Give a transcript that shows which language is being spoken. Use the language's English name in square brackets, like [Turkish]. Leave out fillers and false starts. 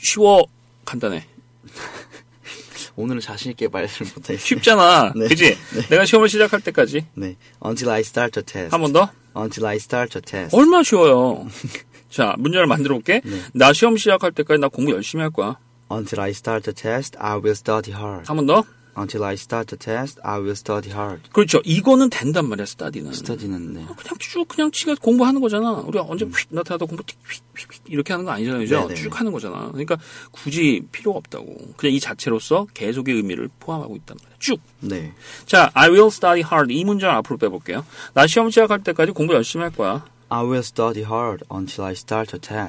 [Korean] 쉬워. 간단해. 오늘은 자신있게 말을 못하겠어요. 쉽잖아. 네. 그치? 네. 내가 시험을 시작할 때까지. [English] 네. Until I start the test. [Korean] 한 번 더. [English] Until I start the test. [Korean] 얼마나 쉬워요. 자, 문장을 만들어 볼게. 네. 나 시험 시작할 때까지 나 공부 열심히 할 거야. [English] Until I start the test, I will study hard. [Korean] 한 번 더. [English] Until I start the test, I will study hard. [Korean] 그렇죠. 이거는 된단 말이야, study는. study는, 네. 그냥 쭉, 그냥 지가 공부하는 거잖아. 우리가 언제 휙 나타나도 공부 휙, 휙, 휙, 이렇게 하는 거 아니잖아요. 그죠? 네네. 쭉 하는 거잖아. 그러니까 굳이 필요가 없다고. 그냥 이 자체로서 계속의 의미를 포함하고 있단 말이야. 쭉. 네. [English] 자, I will study hard. [Korean] 이 문장 앞으로 빼볼게요. 나 시험 시작할 때까지 공부 열심히 할 거야. [English] I will study hard until I start the test.